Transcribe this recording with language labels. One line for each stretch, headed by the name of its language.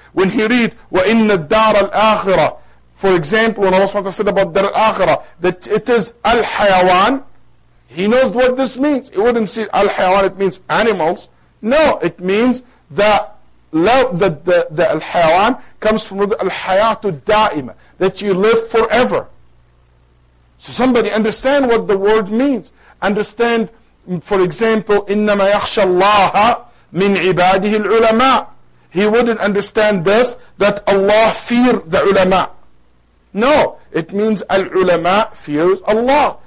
English: When he read,
Arabic: وَإِنَّ الدَّارَ الْآخِرَةِ,
English: for example, when Allah said about Dar al-Akhirah, that it is al-hayawan, he knows what this means. He wouldn't say al-hayawan, it means animals. No, it means that the al-hayawan comes from the al-hayatu da'ima, that you live forever. So somebody understand what the word means. Understand, for example,
Arabic: إِنَّمَا يَخْشَى اللَّهَ مِنْ عِبَادِهِ الْعُلَمَاء.
English: He wouldn't understand this, that Allah fear the ulama. No, it means al-ulama fears Allah.